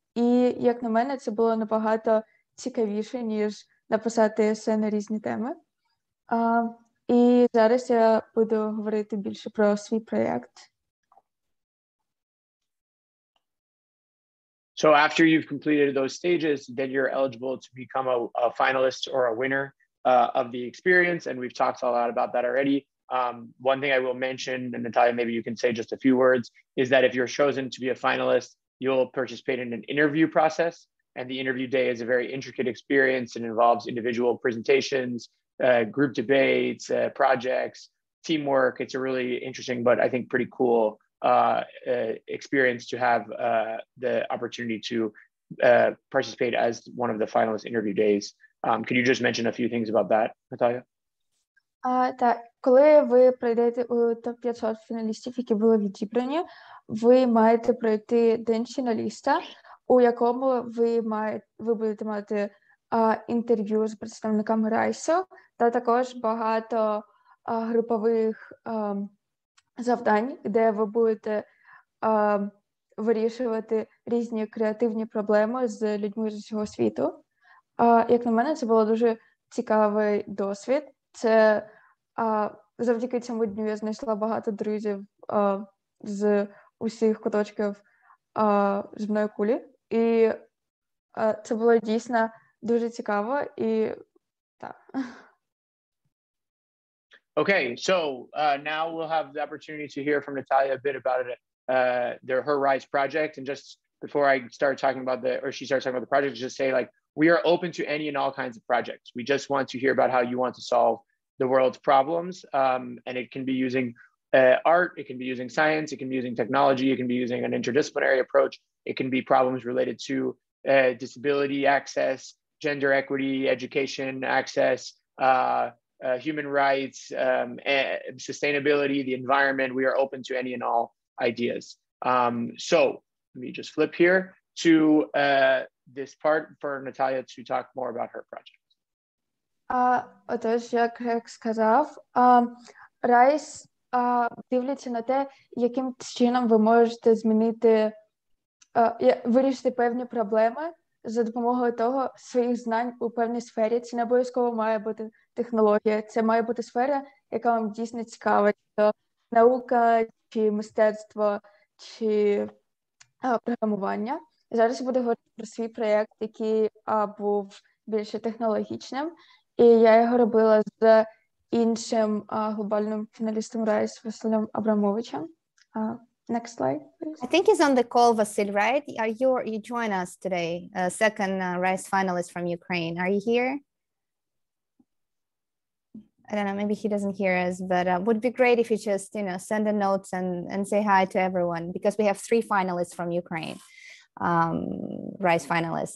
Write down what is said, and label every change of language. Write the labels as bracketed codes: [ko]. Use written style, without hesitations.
[uk] І, як на мене, це було набагато цікавіше, ніж написати есе на різні теми. І зараз я буду говорити більше про свій проєкт. [en] So after you've completed those stages, then you're eligible to become a finalist or a winner of the experience. And we've talked a lot about that already. One thing I will mention, and Nataliia, maybe you can say just a few words, is that if you're chosen to be a finalist, you'll participate in an interview process. And the interview day is a very intricate experience and involves individual presentations, group debates, projects, teamwork. It's a really interesting, but I think pretty cool experience to have the opportunity to participate as one of the finalist interview days. Could you just mention a few things about that, Nataliia? Так, коли ви пройдете у топ 500 фіналістів, які були відібрані, ви маєте пройти день фіналіста, у якому ви будете мати інтерв'ю з представниками RISE, та також багато групових завдань, де ви будете вирішувати різні креативні проблеми з людьми з усього світу. Як на мене, це було дуже цікавий досвід. Це завдяки цьому дню я знайшла багато друзів з усіх куточків земної кулі. І це було дійсно дуже цікаво. І так. Okay, so now we'll have the opportunity to hear from Nataliia a bit about her RISE project. And just before I start talking about she starts talking about the project, just say like, we are open to any and all kinds of projects. We just want to hear about how you want to solve the world's problems. And it can be using art, it can be using science, it can be using technology, it can be using an interdisciplinary approach. It can be problems related to disability access, gender equity, education access, human rights, sustainability, the environment. We are open to any and all ideas. So let me just flip here to this part for Nataliia to talk more about her project. [uk] Отож, як Грек сказав, Райс дивляться на те, яким чином ви можете змінити, вирішити певні проблеми за допомогою того своїх знань у певній сфері. Це не обов'язково має бути технологія, це має бути сфера, яка вам дійсно цікава. То наука, чи мистецтво, чи програмування. Зараз я буду говорити про свій проєкт, який був більше технологічним, і я його робила з іншим глобальним фіналістом RISE Василем Абрамовичем. [en] Next slide, please. I think he's on the call, Vasil, right? Are you, you join us today, second RISE finalist from Ukraine. Are you here? I don't know, maybe he doesn't hear us, but it would be great if you just, you know, send a note and say hi to everyone, because we have three finalists from Ukraine, RISE finalists.